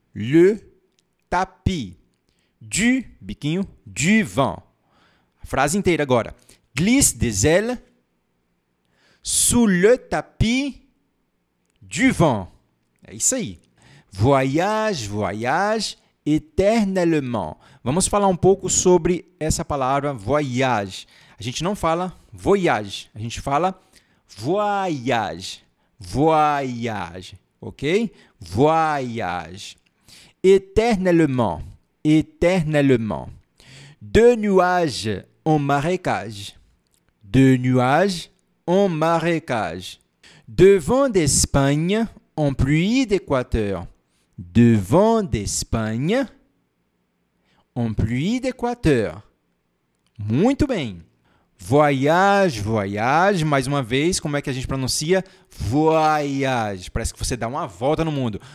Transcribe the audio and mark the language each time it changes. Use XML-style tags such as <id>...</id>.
<fr>Le tapis. Du, biquinho, du vent.</fr> <pt>Frase inteira agora.</pt> <fr>Glisse des ailes sous le tapis du vent.</fr> <pt>É isso aí.</pt> <fr>Voyage, voyage, éternellement.</fr> <pt>Vamos falar um pouco sobre essa palavra voyage. A gente não fala voyage, a gente fala voyage.</pt> <fr>Voyage, ok? Voyage. Éternellement, éternellement. Deux nuages en marécage. Deux nuages en marécage. Deux vents d'Espagne en pluie d'Équateur. Deux vents d'Espagne en pluie d'Équateur.</fr> <pt>Muito bem.</pt> <fr>Voyage, voyage.</fr> <pt>Mais uma vez, como é que a gente pronuncia? Voyage. Parece que você dá uma volta no mundo.</pt>